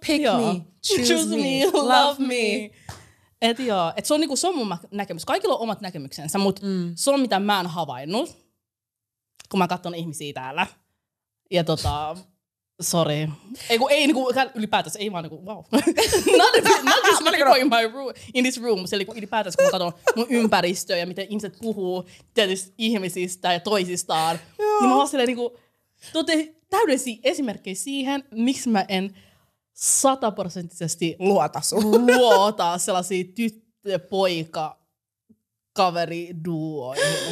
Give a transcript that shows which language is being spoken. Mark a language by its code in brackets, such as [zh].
[en] pick joo. Me, choose me, love me. [fi] Et joo, et se on niinku, se on mun näkemys. Kaikilla on omat näkemyksensä, mut se on mitä mä oon havainnut, kun mä katson ihmisiä täällä. Ja tota, sorry. Eiku, ei niinku, ylipäätänsä, ei vaan niinku, wow. [en] not just people in my room, in this room. [fi] Se niinku ylipäätänsä, kun mä katson mun ympäristöä ja miten ihmiset puhuu tietysti ihmisistä ja toisistaan. Joo. Niin mä oon silleen niinku, täydellisiä esimerkkejä siihen, miksi mä en 100-prosenttisesti luota sun. Luota sellaisia tyttö, poika, kaveri, duoja.